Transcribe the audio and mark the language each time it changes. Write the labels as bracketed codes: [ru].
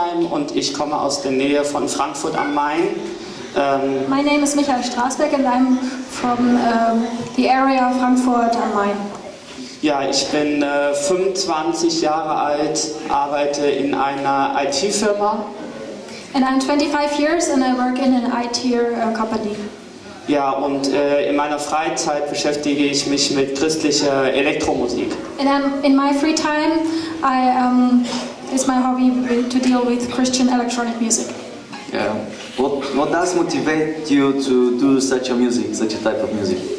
[de] Und ich komme aus der Nähe von Frankfurt am Main. [en] My name is Michael Strasberg and I'm from the area of Frankfurt am Main. [de] Ja, ich bin 25 Jahre alt, arbeite in einer IT-Firma. [en] And I'm 25 years and I work in an IT company. [de] Ja, und in meiner Freizeit beschäftige ich mich mit christlicher Elektromusik. [en] And in my free time, I it's my hobby to deal with Christian electronic music. Yeah. What does motivate you to do such a music, such a type of music?